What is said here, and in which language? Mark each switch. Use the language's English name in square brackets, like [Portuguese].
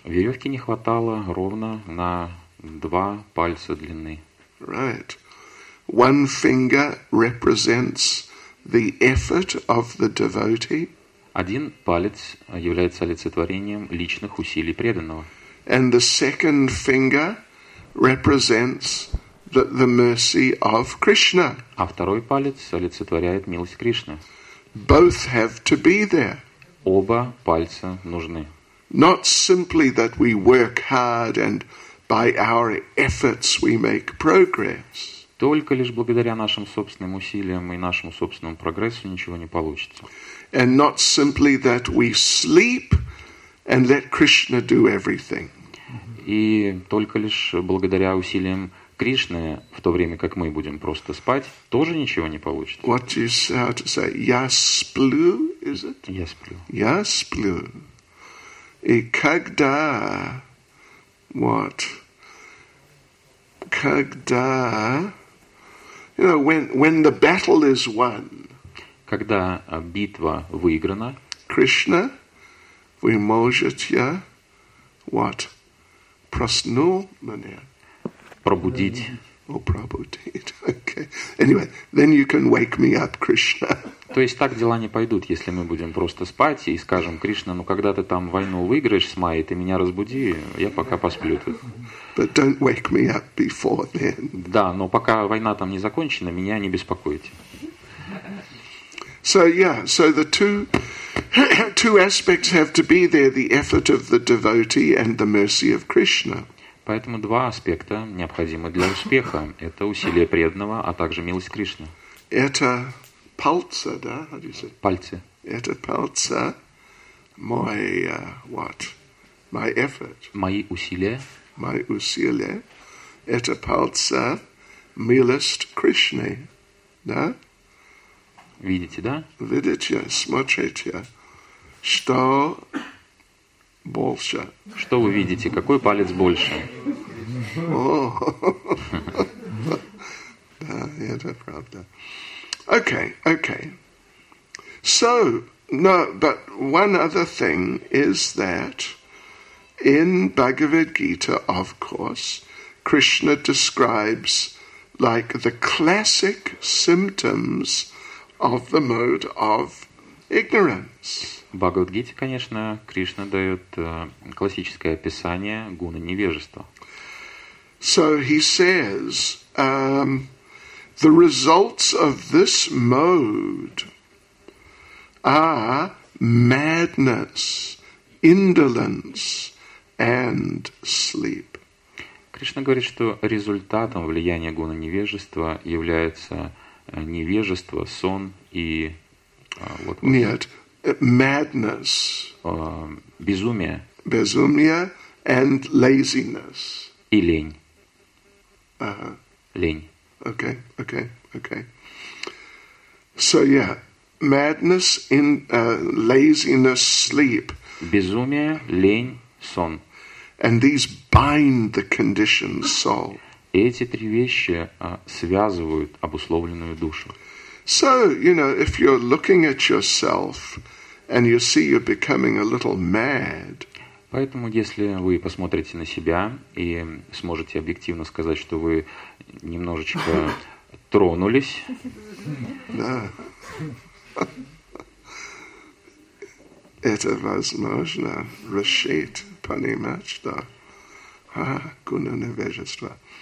[Russian] Веревки не хватало ровно на два пальца длины. [English] Right. One finger represents the effort of the devotee. [Russian] Один палец является олицетворением личных усилий преданного. [English] And the second finger represents the mercy of Krishna. [Russian] А второй палец олицетворяет милость Кришны. [English] Both have to be there. [Russian] Оба пальца нужны. [English] Not simply that we work hard and by our efforts we make progress. [Russian] Только лишь благодаря нашим собственным усилиям и нашему собственному прогрессу ничего не получится. [English] And not simply that we sleep and let Krishna do everything. [Russian] И только лишь благодаря усилиям Кришны, в то время как мы будем просто спать, тоже ничего не получится. [English] What is how to say? [Russian] Я сплю, [English] is it? [Russian] Я сплю. Я сплю. И когда... [English] What? [Russian] Когда... [English] You know, when the battle is won. [Russian] Когда битва выиграна. Кришна, вы можете... [English] What? [Russian] Просну меня. Пробудить. [English] Oh, [Russian] пробудить. [English] Okay. Anyway, then you can wake me up, Krishna. [Russian] То есть так дела не пойдут, если мы будем просто спать и скажем, Кришна, ну когда ты там войну выиграешь с Майей, ты меня разбуди, я пока посплю тут. [English] But don't wake me up before then. [Russian] Да, но пока война там не закончена, меня не беспокойте. [English] So yeah, so the two aspects have to be there: the effort of the devotee and the mercy of Krishna. [Russian] Поэтому два аспекта необходимы для успеха. Это усилие преданного, а также милость Кришны. Это пальца, да? [English] How do you say? [Russian] Пальцы. Это пальца. Мой, [English] what? My effort. [Russian] Мои усилия. Мои усилия. Это пальца милость Кришны. Да? Видите, да? Видите, смотрите, что... Больше. Что вы видите? Какой палец больше? Да, это правда. Okay. [English] So, no, but one other thing is that in Bhagavad Gita, of course, Krishna describes like the classic symptoms of the mode of ignorance. [Russian] В Бхагавад-гите, конечно, Кришна дает классическое описание гуны невежества. [English] So he says, the results of this mode are madness, indolence, and sleep. [Russian] К Кришна говорит, что результатом влияния гуны невежества является невежество, сон и Нет, madness. Безумие. Безумие [English] and laziness. [Russian] И лень. Ага. Лень. Окей, окей, окей. [English] So yeah, madness in laziness, sleep. [Russian] Безумие, лень, сон. [English] And these bind the conditioned soul. [Russian] Эти три вещи связывают обусловленную душу. [English] So, you know, if you're looking at yourself and you see you're becoming a little mad. [Russian] Поэтому, если вы посмотрите на себя и сможете объективно сказать, что вы немножечко тронулись. Да. Это возможно. Решит понимать, что гуна невежества.